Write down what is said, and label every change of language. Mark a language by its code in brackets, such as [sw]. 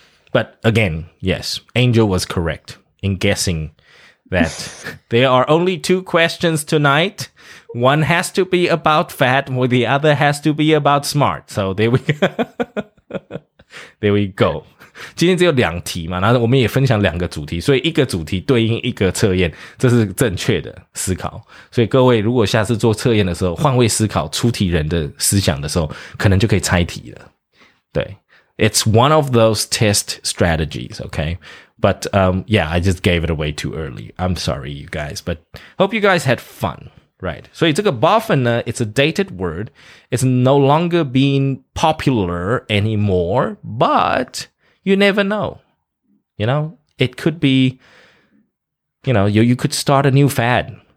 [en] But again, yes, Angel was correct in guessing that there are only two questions tonight. One has to be about fat, or the other has to be about smart. So there we go. There we go. [zh] 今天只有两题嘛，然后我们也分享两个主题，所以一个主题对应一个测验，这是正确的思考。所以各位如果下次做测验的时候，换位思考出题人的思想的时候，可能就可以猜题了。对 [en] ，It's one of those test strategies, okay? But yeah, I just gave it away too early. I'm sorry, you guys, but hope you guys had fun, right? [zh] 所以这个 buffin 呢 [en] ，it's a dated word. It's no longer being popular anymore, but You never know, you know, it could be, you know, you could start a new fad.